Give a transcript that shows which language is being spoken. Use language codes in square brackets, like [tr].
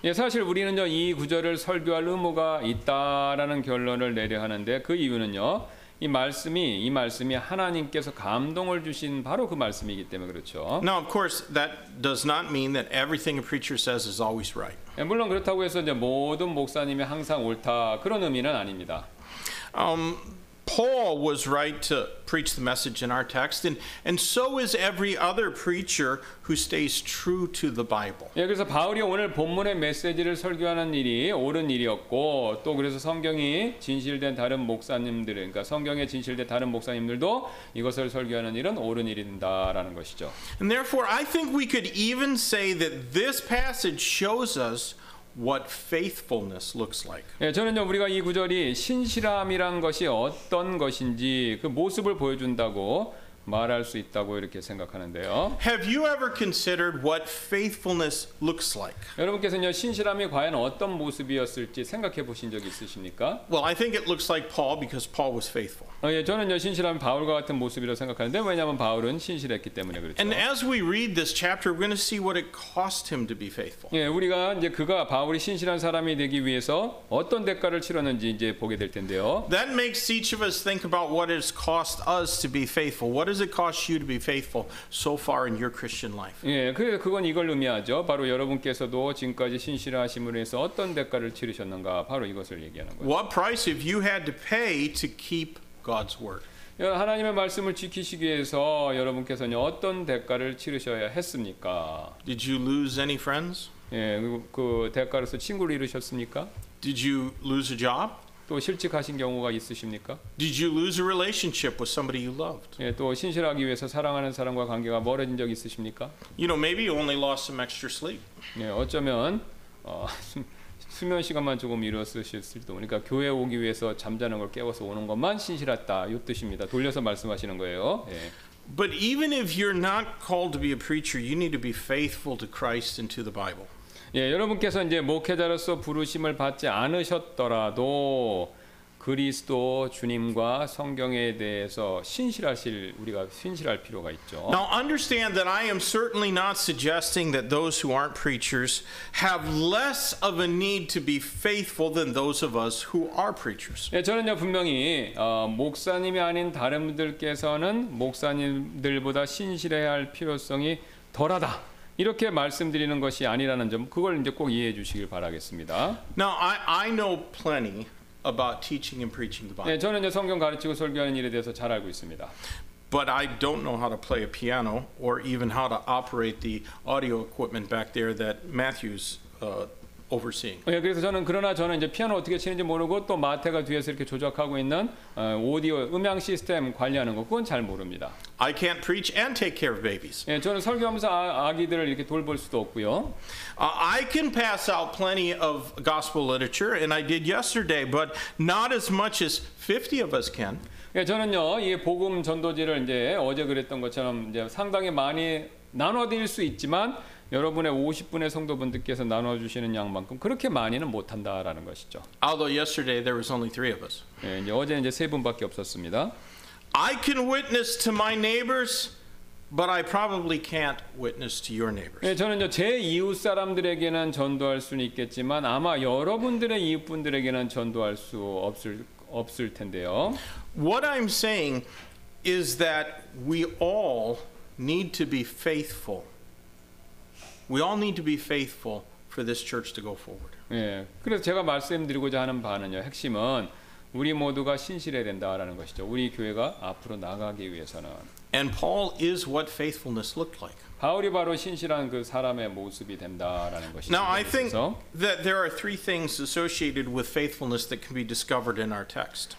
[ko] 예, 사실 우리는요 이 구절을 설교할 의무가 있다라는 결론을 내려 하는데 그 이유는요 이 말씀이 하나님께서 감동을 주신 바로 그 말씀이기 때문에 그렇죠. [en] Now, of course, that does not mean that everything a preacher says is always right. [ko] 예, 물론 그렇다고 해서 이제 모든 목사님이 항상 옳다 그런 의미는 아닙니다. [en] Paul was right to preach the message in our text, and so is every other preacher who stays true to the Bible. [ko] 예, 그래서 바울이 오늘 본문의 메시지를 설교하는 일이 옳은 일이었고, 또 그래서 성경이 진실된 다른 목사님들, 그러니까 성경에 진실된 다른 목사님들도 이것을 설교하는 일은 옳은 일인다라는 것이죠. [en] And therefore, I think we could even say that this passage shows us what faithfulness looks like. [ko] 예, 저는요 우리가 이 구절이 신실함이란 것이 어떤 것인지 그 모습을 보여준다고 말할 수 있다고 이렇게 생각하는데요. [en] Have you ever considered what faithfulness looks like? [ko] 여러분께서는요 신실함이 과연 어떤 모습이었을지 생각해 보신 적 있으십니까? [en] Well, I think it looks like Paul because Paul was faithful. [ko] 예, 저는요 신실함이 바울과 같은 모습이라고 생각하는데 왜냐하면 바울은 신실했기 때문에 그렇죠. [en] And as we read this chapter, we're going to see what it cost him to be faithful. [ko] 예, 우리가 이제 그가 바울이 신실한 사람이 되기 위해서 어떤 대가를 치렀는지 이제 보게 될 텐데요. [en] That makes each of us think about what it's cost us to be faithful. What does it cost you to be faithful so far in your Christian life? [ko] 예, 그건 이걸 의미하죠. 바로 여러분께서도 지금까지 신실하심으로 해서 어떤 대가를 치르셨는가 바로 이것을 얘기하는 거예요. [en] What price have you had to pay to keep God's word? [ko] 하나님의 말씀을 지키시기 위해서 여러분께서는 어떤 대가를 치르셔야 했습니까? [en] Did you lose any friends? [ko] 예, 그 대가로서 친구를 잃으셨습니까? [en] Did you lose a job? [ko] 또 실직하신 경우가 있으십니까? [en] Did you lose a relationship with somebody you loved? [ko] 예, 또 신실하기 위해서 사랑하는 사람과 관계가 멀어진 적 있으십니까? [en] You know, maybe you only lost some extra sleep. [ko] 예, 어쩌면 수면 시간만 조금 이뤘으셨을지도 모르니까 교회 오기 위해서 잠자는 걸 깨워서 오는 것만 신실했다 이 뜻입니다. 돌려서 말씀하시는 거예요. 예. [en] But even if you're not called to be a preacher, you need to be faithful to Christ and to the Bible. [ko] 예, 여러분께서 이제 목회자로서 부르심을 받지 않으셨더라도 그리스도 주님과 성경에 대해서 우리가 신실할 필요가 있죠. [en] Now understand that I am certainly not suggesting that those who aren't preachers have less of a need to be faithful than those of us who are preachers. [ko] 예, 저는요 분명히 목사님이 아닌 다른 분들께서는 목사님들보다 신실해야 할 필요성이 덜하다 이렇게 말씀드리는 것이 아니라는 점 그걸 이제 꼭 이해해 주시길 바라겠습니다. [en] Now I know plenty about teaching and preaching the Bible. [ko] 네, 저는 이제 성경 가르치고 설교하는 일에 대해서 잘 알고 있습니다. [en] But I don't know how to play a piano or even how to operate the audio equipment back there that Matthew's overseeing. [ko] 네, 그래서 저는 그러나 저는 이제 피아노 어떻게 치는지 모르고 또 마태가 뒤에서 이렇게 조작하고 있는 오디오 음향 시스템 관리하는 것 그건 잘 모릅니다. [en] I can't preach and take care of babies. [ko] 네, 저는 설교하면서 아기들을 이렇게 돌볼 수도 없고요. [en] I can pass out plenty of gospel literature and I did yesterday, but not as much as 50 of us can. [ko] 예, 저는요 이 복음 전도지를 이제 어제 그랬던 것처럼 이제 상당히 많이 나눠드릴 수 있지만 여러분의 50분의 성도분들께서 나눠주시는 양만큼 그렇게 많이는 못한다라는 것이죠. [en] Although yesterday there was only three of us. [ko] 예, 이제 어제는 이제 세 분밖에 없었습니다. [en] I can witness to my neighbors, but I probably can't witness to your neighbors. [ko] 예, 저는요 제 이웃 사람들에게는 전도할 수는 있겠지만 아마 여러분들의 이웃분들에게는 전도할 수 없을 텐데요. [en] What I'm saying is that we all need to be faithful. We all need to be faithful for this church to go forward. [ko] 예. 그래서 제가 말씀드리고자 하는 바는요. 핵심은 우리 모두가 신실해야 된다라는 것이죠. 우리 교회가 앞으로 나가기 위해서는. [en] And Paul is what faithfulness looked like. [ko] 바울이 바로 신실한 그 사람의 모습이 된다라는 것이죠. [en] Now I think that there are three things associated with faithfulness that can be discovered in our text.